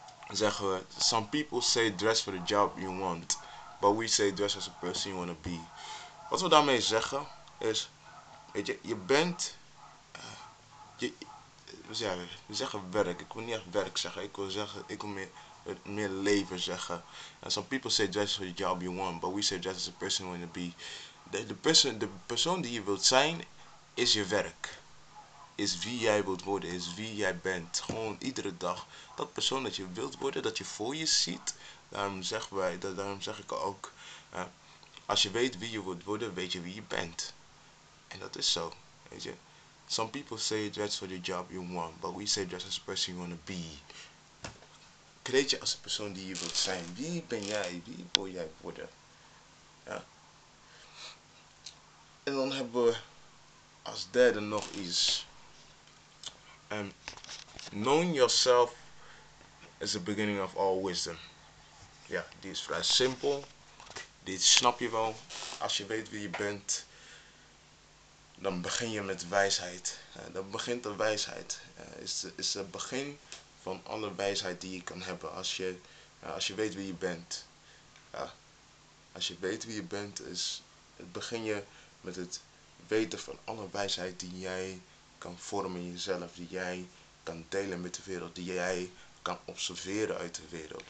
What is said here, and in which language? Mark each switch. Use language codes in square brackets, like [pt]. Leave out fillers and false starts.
[nl] zeggen we, [en] some people say dress for the job you want, but we say dress as a person you want to be. [nl] Wat we daarmee zeggen is, weet je, je bent, we zeggen werk, ik wil niet echt werk zeggen, ik wil meer leven zeggen. [en] And some people say dress for the job you want, but we say dress as a person you want to be. [nl] De persoon die je wilt zijn, is je werk. Is wie jij wilt worden, is wie jij bent. Gewoon iedere dag. Dat persoon dat je wilt worden, dat je voor je ziet. Daarom zeg ik ook. Als je weet wie je wilt worden, weet je wie je bent. En dat is zo. Weet je. [en] Some people say dress for the job you want. But we say dress as the person you want to be. [nl] Kreeg je als de persoon die je wilt zijn. Wie ben jij? Wie wil jij worden? Ja. En dan hebben we als derde nog iets. [en] Knowing yourself is the beginning of all wisdom. [nl] Ja, die is vrij simpel. Die snap je wel. Als je weet wie je bent, dan begin je met wijsheid. Dan begint de wijsheid. Is het begin van alle wijsheid die je kan hebben. Als je weet wie je bent. Ja, als je weet wie je bent, begin je met het weten van alle wijsheid die jij kan vormen in jezelf, die jij kan delen met de wereld, die jij kan observeren uit de wereld.